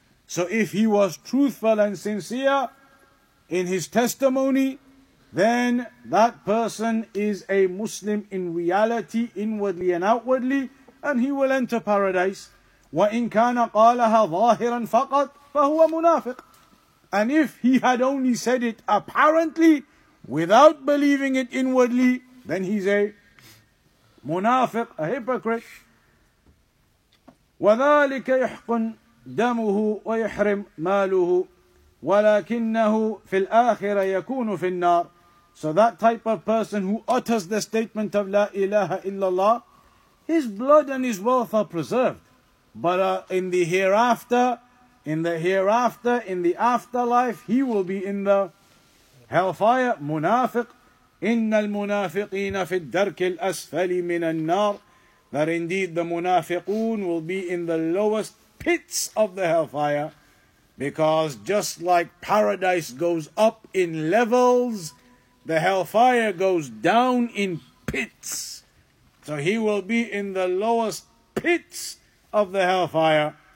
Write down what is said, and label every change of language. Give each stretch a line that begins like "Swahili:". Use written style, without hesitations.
English: So if he was truthful and sincere in his testimony, then that person is a Muslim in reality, inwardly and outwardly, and he will enter paradise.
Arabic: وَإِنْ كَانَ قَالَهَا ظَاهِرًا فَقَطْ فَهُوَ مُنَافِقٌ.
English: And if he had only said it apparently, without believing it inwardly, then he's a munafiq, a hypocrite.
Arabic: وَذَلِكَ يَحْقُنْ دمه ويحرم ماله ولكنه في الآخرة يكون في النار.
English: So that type of person who utters the statement of
Arabic: لا إله إلا الله,
English: his blood and his wealth are preserved, but in the afterlife, he will be in the hellfire.
Arabic: منافق. إن المنافقين في الدرك الأسفل من النار.
English: That indeed the منافقون will be in the lowest pits of the hellfire, because just like paradise goes up in levels, the hellfire goes down in pits. So he will be in the lowest pits of the hellfire.